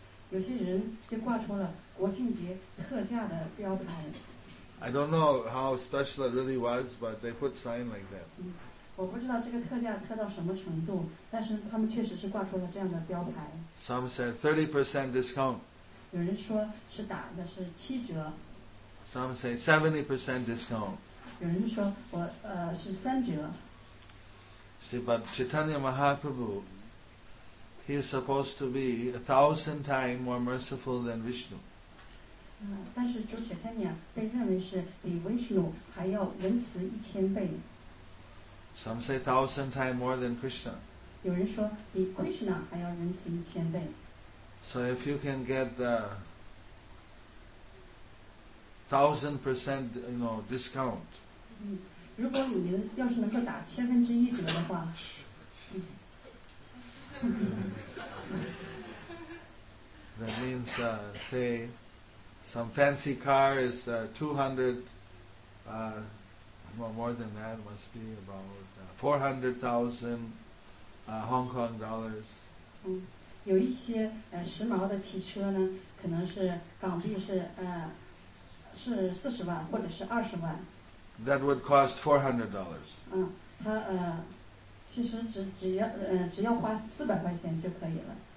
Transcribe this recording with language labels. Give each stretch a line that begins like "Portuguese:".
Chinese: 有些人就挂出了国庆节特价的标牌。
English: I don't know how special it really was, but they put sign like that.
Chinese: 我不知道这个特价特到什么程度，但是他们确实是挂出了这样的标牌。
English: Some said 30% discount.
Chinese: 有人说是打的是七折。
English: Some say 70% discount.
Chinese: 有人说我是三折。
English: See, but Chaitanya Mahaprabhu, he is supposed to be 1,000 times more merciful than Vishnu.
Chinese: 但是主 Chaitanya 被认为是比 Vishnu 还要仁慈1000倍。
English: Some say 1,000 times more than Krishna.
Chinese: 有人说比 Krishna 还要仁慈一千倍。
English: So if you can get the 1,000% you know, discount.
Chinese: 如果你们要是能够打千分之一折的话。
English: That means, say, some fancy car is 200, well, more than that, must be about 400,000 Hong Kong dollars.
Chinese: 有一些时髦的汽车呢，可能是港币是是40万或者是20万。
English: That would cost $400.
Chinese: 它其实只要花400块钱就可以了。